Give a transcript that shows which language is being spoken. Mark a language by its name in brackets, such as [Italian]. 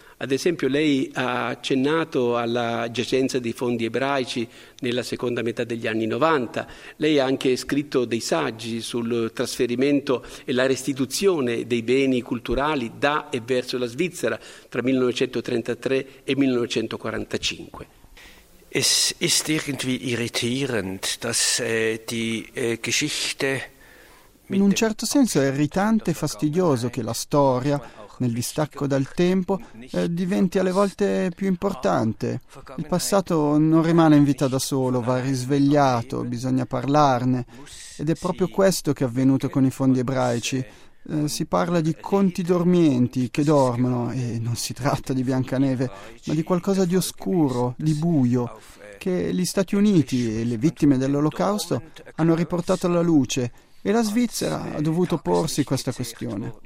[Italian] Ad esempio, lei ha accennato alla giacenza dei fondi ebraici nella seconda metà degli anni 90. Lei ha anche scritto dei saggi sul trasferimento e la restituzione dei beni culturali da e verso la Svizzera tra 1933 e 1945. [German] Es ist irgendwie irritierend, dass die Geschichte. [Italian] In un certo senso è irritante e fastidioso che la storia, nel distacco dal tempo, diventi alle volte più importante. Il passato non rimane in vita da solo, va risvegliato, bisogna parlarne. Ed è proprio questo che è avvenuto con i fondi ebraici. Si parla di conti dormienti che dormono, e non si tratta di Biancaneve, ma di qualcosa di oscuro, di buio, che gli Stati Uniti e le vittime dell'Olocausto hanno riportato alla luce, e la Svizzera ha dovuto porsi questa questione.